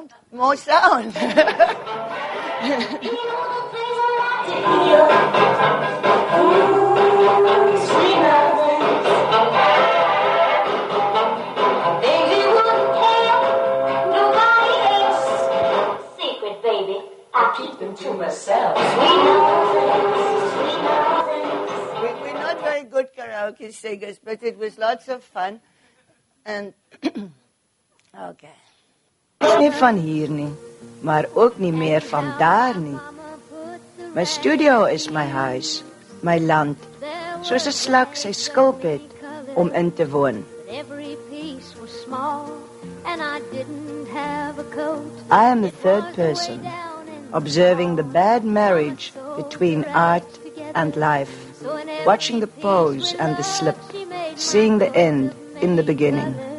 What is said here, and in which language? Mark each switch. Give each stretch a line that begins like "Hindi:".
English: More sound. Karaoke singers, but it was lots of fun. And okay.
Afrikaans: Is nie van hier nie, maar ook nie meer van daar nie. My studio is my huis, my land. Soos 'n slak sy skulp het om in te woon.
English: Every piece was small and I didn't have a coat. I am the third person observing the bad marriage between art and life. Watching the pose and the slip, seeing the end in the beginning.